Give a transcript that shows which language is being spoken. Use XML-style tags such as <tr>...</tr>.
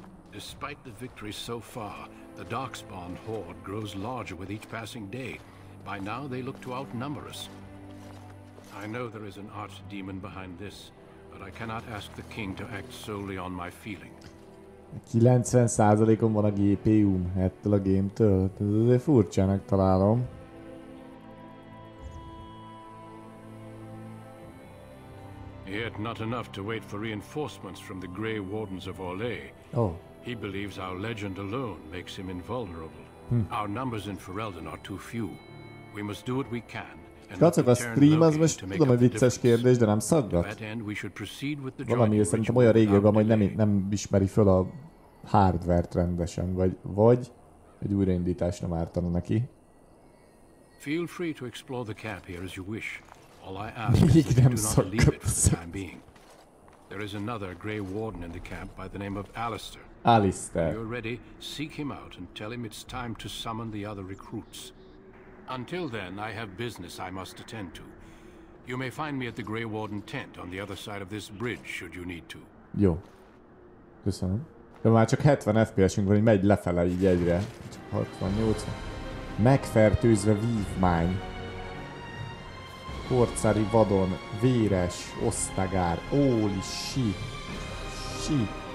<en>Despite the victory so far, the darkspawn horde grows larger with each passing day. By now, they look to outnumber us. I know there is an archdemon behind this, but I cannot ask the king to act solely on my feeling.</en> <hu>90%-on van a GPU-m ettől a game-től. Ez azért furcsának találom.</hu> <en>Yet not enough to wait for reinforcements from the Grey Wardens of Orlais. Oh. He believes our legend alone makes him invulnerable. Hmm. Our numbers in Ferelden are too few. We must do what we can.</en> <hu>Kacok, a stream az most, tudom, hogy vicces kérdés, de nem szaggat. Valami, szerintem olyan régi joga, hogy nem ismeri föl a hardware-t rendesen, vagy egy újraindítás nem ártana neki.</hu> <en>Feel free to explore the camp here as you wish. All I ask is to leave it for the time being. There is another Grey Warden in the camp by the name of Alistair. Alistair. You're ready, seek him out and tell him it's time to summon the other recruits. Until then, I have business I must attend to. You may find me at the Grey Warden tent on the other side of this bridge, should you need to.</en> <hu>Jó. Köszönöm. De már csak 70 FPS-ünk van, hogy megy lefele így egyre. 68. Megfertőzve vívmány. Korcári vadon, véres, osztagár.</hu> <en>Holy shit. Shit.</en>